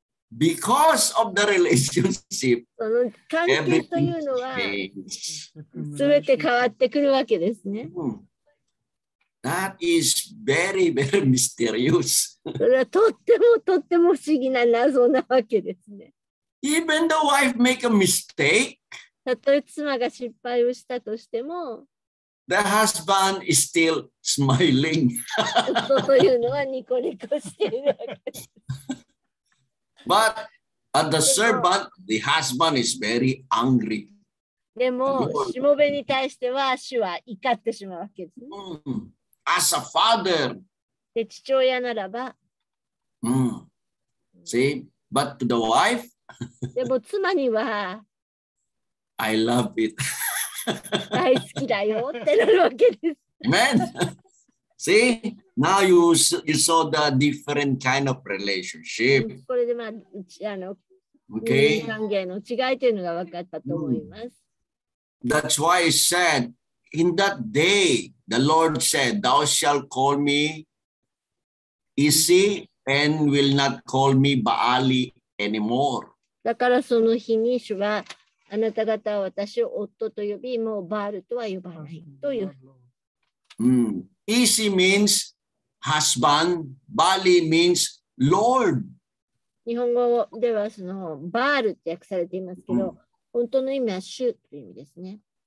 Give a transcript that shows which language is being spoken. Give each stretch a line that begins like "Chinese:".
English: Because of the relationship,
Japanese: その関係というのは全て変わってくるわけですね。
English: That is very, very mysterious.
Japanese: それはとってもとっても不思議な謎なわけですね。
English: Even the wife make a mistake,
Japanese: たとえ妻が失敗をしたとしても、
English: the husband is still smiling.
Japanese: そういうのはニコニコしているわけです。
English: But at the servant, the husband is very angry.
Japanese: でも、しもべに対しては主は怒ってしまうわけですね。
English: As a father,
Japanese: で父親ならば、
English: See, but to the wife,
Japanese: でも妻には、
English: I love it.
Japanese: 大好きだよってなるわけです。
English: Man, see, now you saw the different kind of relationship.
Japanese: これでまあ、あの、
English: okay.
Japanese: 人間関係の違いというのが分かったと思います。
English: That's why I said, in that day,The Lord said, Thou shalt call me Isi and will not call me Baali anymore.
Japanese: だからその日に主はあなた方は私を夫と呼び、もうバールとは呼ばないという。
English: Isi means husband, Baali means Lord.
Japanese: 日本語ではそのバールって訳されていますけど、本当の意味は主という意味ですね。